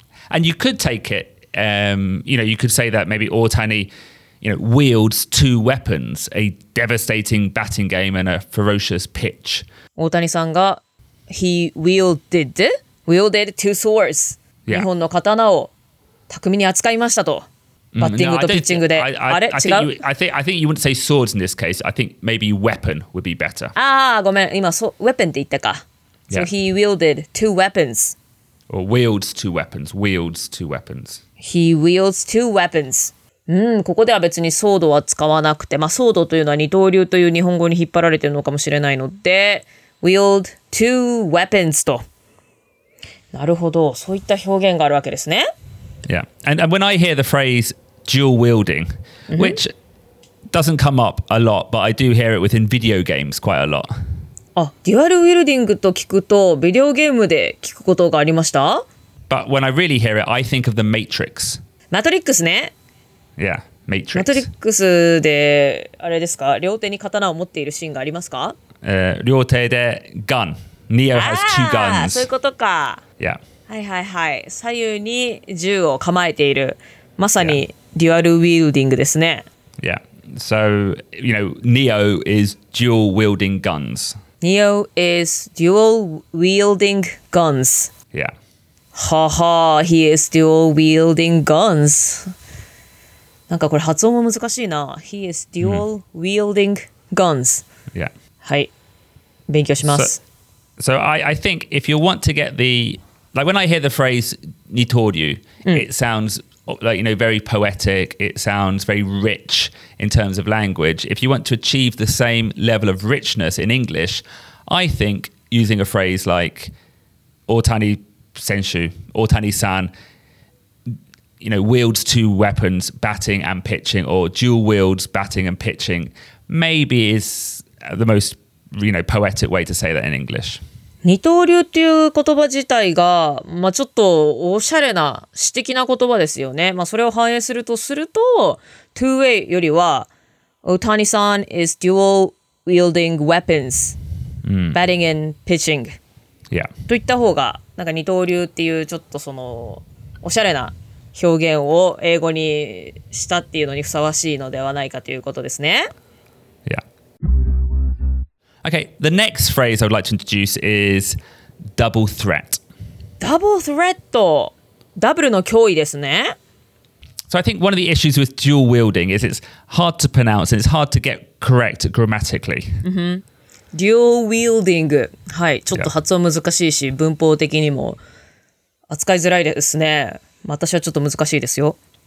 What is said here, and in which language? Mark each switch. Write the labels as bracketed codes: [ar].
[en] And you could take it, you know, you could say that maybe Ohtani, you know, wields two weapons, a devastating batting game and a ferocious pitch. Ohtani さんが、he wielded two swords. Yeah. [ja] 日本の刀を巧みに扱いましたと。バッティングとピッチングで、あれ違う。 [en] I think you wouldn't say swords in this case. I think maybe weapon would be better. [ja] ああ、ごめん。今、weapon って言ったか。 [en] So he wielded two weapons. Or wields two weapons. Wields two weapons. He wields two weapons. [ja] うん、ここでは別にソードは使わなくて、まあソードというのは二刀流という日本語に引っ張られてるのかもしれないので、 [en] wield two weapons [ja] と。なるほど。そういった表現があるわけですね。 [en] Yeah, and when I hear the phrase dual wielding, which doesn't come up a lot, but I do hear it within video games quite a lot. [ja] Ah, dual wielding と聞くとビデオゲームで聞くことがありました。 [en] But when I really hear it, I think of the Matrix. [ja] Matrix ね。 [en] Yeah, Matrix. [ja] Matrix であれですか、両手に刀を持っているシーンがありますか？両手で [en] gun. Neo has two guns. [ja] そういうことか。 [en] Yeah. [ja] はいはいはい、左右に銃を構えている、まさにデュアルウィールディングですね。 [en] Yeah, so you know, Neo is dual wielding guns. Neo is dual wielding guns. Yeah. はは、 he is dual wielding guns. [ja] なんかこれ発音も難しいな。 [en] He is dual wielding guns. Yeah. [ja] はい、勉強します。 [en] So I think if you want to get theLike when I hear the phrase Nitoryu, it sounds like, you know, very poetic. It sounds very rich in terms of language. If you want to achieve the same level of richness in English, I think using a phrase like Ohtani Senshu, Ohtani-san, you know, wields two weapons, batting and pitching, or dual wields batting and pitching, maybe is the most, you know, poetic way to say that in English. [ja] 二刀流っていう言葉自体が、まあ、ちょっとおしゃれな詩的な言葉ですよね。まあ、それを反映するとすると、two way よりは、Ohtani さん [en] is dual wielding weapons,、 [ja] うん、 [en] batting and pitching. Yeah. [ja] といった方が、なんか二刀流っていうちょっとそのおしゃれな表現を英語にしたっていうのにふさわしいのではないかということですね。 [en] Okay, the next phrase I would like to introduce is double threat. Double threat. [ja] Double の脅威ですね。 [en] So I think one of the issues with dual wielding is it's hard to pronounce and it's hard to get correct grammatically. Mm-hmm. dual wielding。 [ja] はい、ちょっと発音難しいし、文法的にも扱いづらいですね。私はちょっと難しいですよ。